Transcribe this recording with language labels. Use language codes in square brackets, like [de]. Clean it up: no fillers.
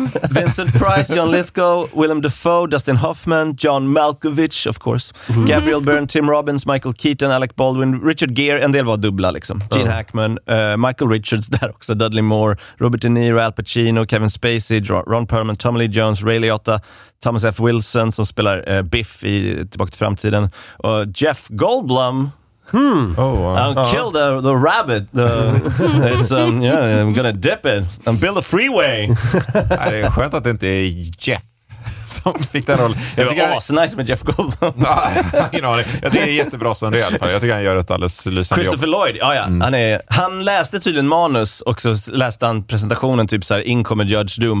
[sv] Vincent Price, John Lithgow, Willem Dafoe, Dustin Hoffman, John Malkovich, [en] of course, [sv] Gabriel Byrne, Tim Robbins, Michael Keaton, Alec Baldwin, Richard Gere, en del var dubbla liksom. Gene Hackman, Michael Richards där också, Dudley Moore, Robert De Niro, Al Pacino, Kevin Spacey, Ron Perlman, Tommy Lee Jones, Ray Liotta, Thomas F. Wilson som spelar Biff i Tillbaka till framtiden, och Jeff Goldblum. [en] I'll kill the rabbit. I'm gonna dip it and build a freeway. [sv] Det är skönt att det inte är Jeff som fick den rollen. Det var asnice med Jeff Goldblum. Jag tycker det är jättebra som det i alla fall. Jag tycker han gör ett alldeles lysande Christopher jobb. Lloyd, han läste tydligen manus och så läste han presentationen typ så här: in kommer Judge Doom.